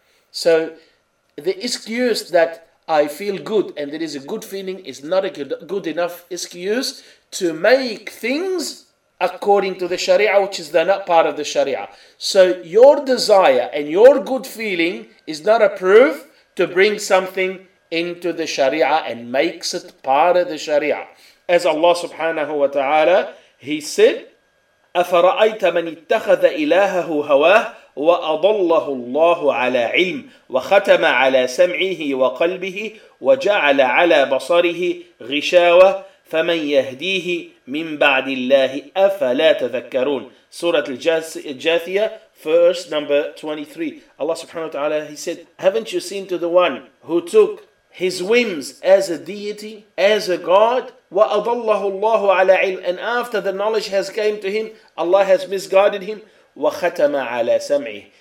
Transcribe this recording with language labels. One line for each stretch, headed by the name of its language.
English: So the excuse that I feel good and there is a good feeling is not a good enough excuse to make things according to the Sharia, which is not part of the Sharia. So your desire and your good feeling is not a proof to bring something into the Sharia and makes it part of the Sharia. As Allah subhanahu wa ta'ala, He said,
Arabic: أَفَرَأَيْتَ مَنِ اتَّخَذَ إِلَاهَهُ هَوَاهُ وَأَضَلَّهُ اللَّهُ عَلَىٰ عِلْمٍ وَخَتَمَ عَلَىٰ سَمْعِهِ وَقَلْبِهِ وَجَعَلَ عَلَىٰ بَصَرِهِ غِشَاوَةً فَمَنْ يَهْدِيهِ مِنْ بَعْدِ اللَّهِ أَفَلَا تَذَكَّرُونَ.
English: Surah Al-Jathiyah, verse number 23. Allah subhanahu wa ta'ala, He said, haven't you seen to the one who took his whims as a deity, as a god?
Arabic: وَأَضَلَّهُ اللَّهُ عَلَىٰ عِلْمٍ.
English: And after the knowledge has came to him, Allah has misguided him.
Arabic: وَخَتَمَ عَلَىٰ سَمْعِهِ.